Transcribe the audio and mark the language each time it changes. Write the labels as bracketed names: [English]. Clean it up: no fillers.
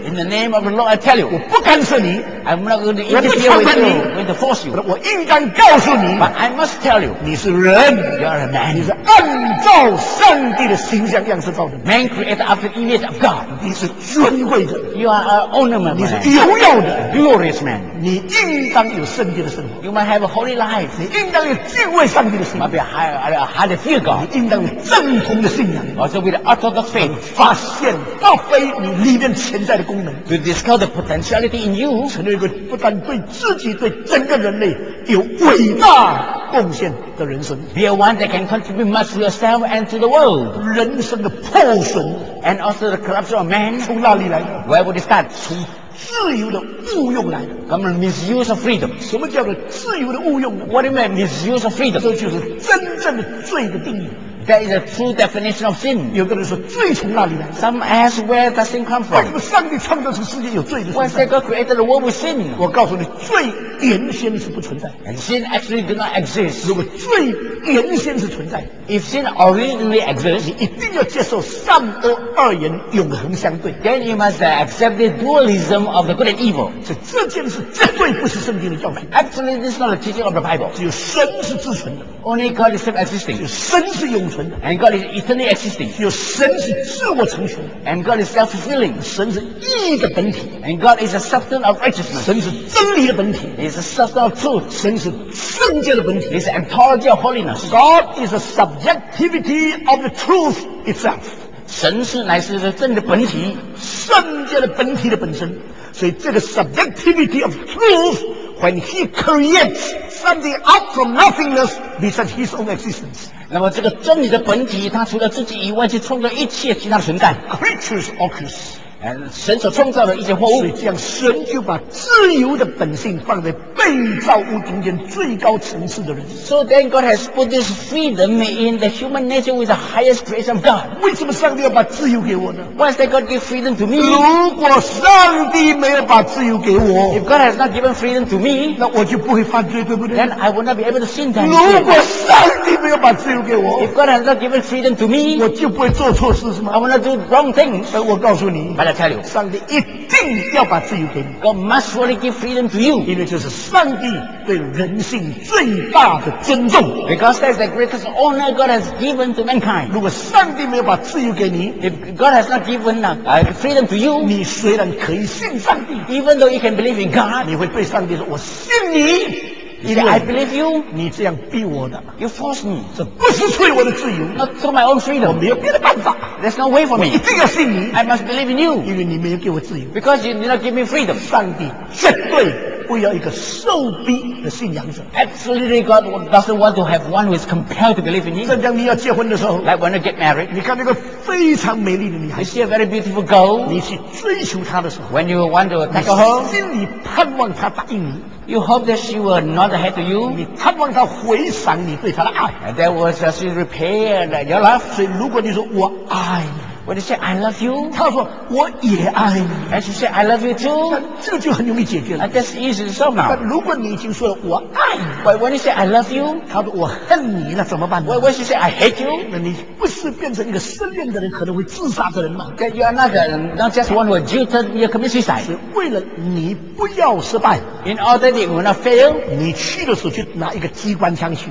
[English] in the name of the Lord, I tell you, [Chinese] 我不干涉你 [English] I'm not going to interfere with you, I'm going to force you, [Chinese] 我应当告诉你 [English] but I must tell you, [Chinese] 你是人 [English] you are a man, [Chinese] 你是按照上帝的形象样式造的 [English] man created after the image of God, [Chinese] 你是尊贵的 [English] you are an ornament, [Chinese] 你是荣耀的 [English] glorious man, [Chinese] 你应当有圣洁的生活 [English] You must have a holy life. [Chinese] 你应当有敬畏上帝的心。 [English] Must be highly fear God. [Chinese] 你应当有正统的信仰。 [English] Also with orthodox faith. [Chinese] 发现到非你里面潜在的功能。 [English] To discover the potentiality in you. [Chinese] 成为一个不但对自己，对整个人类有伟大贡献的人生。 [English] Be a one that can contribute much to yourself and to the world. [Chinese] 人生的破损。 [English] And also the corruption of man. [Chinese] 从哪里来的 [English] ？Where would it start? [Chinese] 从自由的误用来的 [English] ，come on misuse of freedom。 [Chinese] 什么叫做自由的误用 [English] ？What do you mean misuse of freedom？ [Chinese] 这就是真正的罪的定义。 [English] That is the true definition of sin. [Chinese] 有的人说罪从哪里来？ [English] Some ask where does sin come from? [Chinese] 为什么上帝创造这个世界有罪的？ [English] Why did God create the world with sin? [Chinese] 我告诉你，罪原先是不存在。 [English] And sin actually did not exist. [Chinese] 如果罪原先是存在， [English] If sin originally exists, [Chinese] 你一定要接受善恶二元永恒相对。 [English] Then you must accept the dualism of the good and evil. [Chinese] 这件事绝对不是圣经的教训。 [English] Actually, this is not the teaching of the Bible. [Chinese] 只有神是自存的。 [English] Only God is self-existing. [Chinese] 只有神是永存的。 [English] And God is eternally existing. [Chinese] 只有神是自我成全。 [English] And God is self-fulfilling. [Chinese] 神是义的本体。 [English] And God is a substance of righteousness. [Chinese] 神是真理的本体。 [English] He is a substance of truth. [Chinese] 神是圣洁的本体。 [English] He is an ontology of holiness. God is a subjectivity of the truth itself. [Chinese] 神是乃是真的本体，圣洁的本体的本身。所以这个 [English] subjectivity of truth, when he creates something out from nothingness besides his own existence. [Chinese] 那么这个真理的本体，他除了自己以外，去创造一切其他的存在。 [English] Creatures occurs. [Chinese] 神所创造的一些货物，所以这样神就把自由的本性放在被造物中间最高层次的人。 [English] So then God has put this freedom in the human nature with the highest creation of God. [Chinese] 为什么上帝要把自由给我呢？ [English] Why does God give freedom to me? [Chinese] 如果上帝没有把自由给我， [English] If God has not given freedom to me, [Chinese] 那我就不会犯罪，对不对？ [English] Then I will not be able to sin. [Chinese] 如果上帝没有把自由给我， [English] If God has not given freedom to me, [Chinese] 我就不会做错事，是吗？ [English] I will not do wrong things. [Chinese] 但我告诉你， [English] tell you, [Chinese] 上帝一定要把自由给你。 [English] God must really give freedom to you. [Chinese] 因为这是上帝对人性最大的尊重。 [English] Because that's the greatest honor God has given to mankind. [Chinese] 如果上帝没有把自由给你， [English] If God has not given freedom to you, [Chinese] 你虽然可以信上帝， [English] Even though you can believe in God, [Chinese] 你会对上帝说：“我信你。” [English] If I believe you, [Chinese] 你这样逼我的。 [English] You force me. [Chinese] 这不是出于我的自由。 [English] Not through my own freedom. [Chinese] 我没有别的办法。 [English] There's no way for me. [Chinese] 我一定要信你。 [English] I must believe in you. [Chinese] 因为你没有给我自由。 [English] Because you did not give me freedom. [Chinese] 上帝绝对不要一个受逼的信仰者。 [English] Absolutely, God doesn't want to have one who is compelled to believe in him. [Chinese] 正当你要结婚的时候， [English] like when you get married, [Chinese] 你看那个非常美丽的女孩， [English] you see a very beautiful girl, [Chinese] 你去追求她的时候， [English] when you want to take her home, [Chinese] 心里盼望她答应你。 [English] You hope that she will not hate to you. [Chinese] 你盼望她回赏你对她的爱。 [English] And that was as you repaired your love. [Chinese] 所以如果你说我爱你。 [English] When you say I love you, [Chinese] 他说我也爱你。 [English] And she said I love you too. [Chinese] 这个就很容易解决了。 [English] That's easy to solve now. [Chinese] 但如果你已经说了我爱你， [English] But when you say I love you, [Chinese] 他说我恨你，那怎么办呢？ [English] When she said I hate you, [Chinese] 那你不是变成一个失恋的人，可能会自杀的人吗？ [English] That you are not not just one who jilted, you commit suicide. [Chinese] 是为了你不要失败。 [English] In order that you will not fail, [Chinese] 你去的时候就拿一个机关枪去。